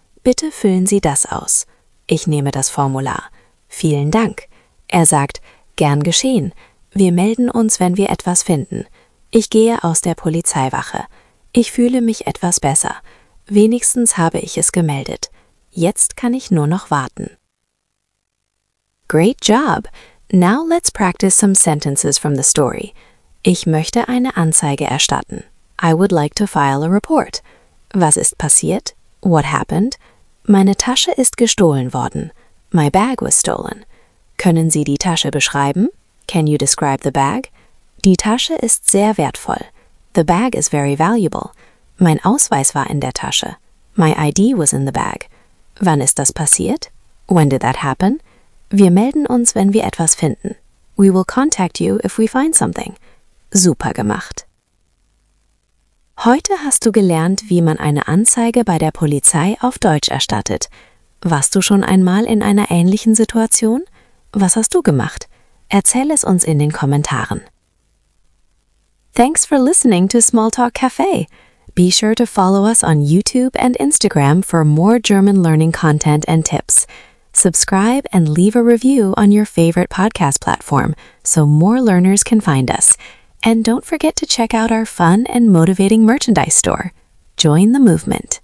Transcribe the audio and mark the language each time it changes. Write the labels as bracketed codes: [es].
[de] Bitte füllen Sie das aus. Ich nehme das Formular. Vielen Dank. Er sagt: Gern geschehen. Wir melden uns, wenn wir etwas finden. Ich gehe aus der Polizeiwache. Ich fühle mich etwas besser. Wenigstens habe ich es gemeldet. Jetzt kann ich nur noch warten. [en] Great job! Now let's practice some sentences from the story. [de] Ich möchte eine Anzeige erstatten. [en] I would like to file a report. [de] Was ist passiert? [en] What happened? [de] Meine Tasche ist gestohlen worden. [en] My bag was stolen. [de] Können Sie die Tasche beschreiben? [en] Can you describe the bag? [de] Die Tasche ist sehr wertvoll. [en] The bag is very valuable. [de] Mein Ausweis war in der Tasche. [en] My ID was in the bag. [de] Wann ist das passiert? [en] When did that happen? [de] Wir melden uns, wenn wir etwas finden. [en] We will contact you if we find something. [de] Super gemacht. Heute hast du gelernt, wie man eine Anzeige bei der Polizei auf Deutsch erstattet. Warst du schon einmal in einer ähnlichen Situation? Was hast du gemacht? Erzähl es uns in den Kommentaren. [en] Thanks for listening to Smalltalk Cafe. Be sure to follow us on YouTube and Instagram for more German learning content and tips. Subscribe and leave a review on your favorite podcast platform so more learners can find us. And don't forget to check out our fun and motivating merchandise store. Join the movement.